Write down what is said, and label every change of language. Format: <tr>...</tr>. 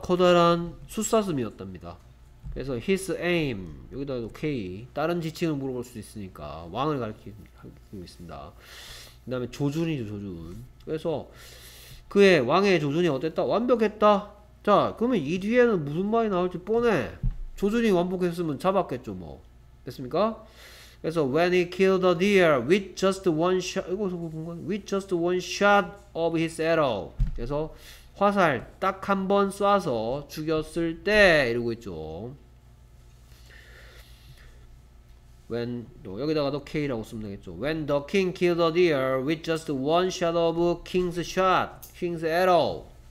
<ko>커다란 숫사슴이었답니다. 그래서</ko> <en>his aim</en> <ko>여기다가도 k 다른 지층을 물어볼 수 있으니까 왕을 가리키고 있습니다. 그 다음에 조준이죠, 조준. 그래서 그의 왕의 조준이 어땠다? 완벽했다. 자, 그러면 이 뒤에는 무슨 말이 나올지 뻔해. 조준이 완벽했으면 잡았겠죠, 뭐. 됐습니까? 그래서</ko> <en>when he killed a deer with just one shot,</en> <ko>이거 본건</ko> <en>with just one shot of his arrow.</en> <ko>그래서 화살 딱한번 쏴서 죽였을 때 이러고 있죠. When, 여기다가도 K라고 쓰면 되겠죠.</ko> <en>When the king killed a deer with just one shot of king's shot, king's arrow.</en>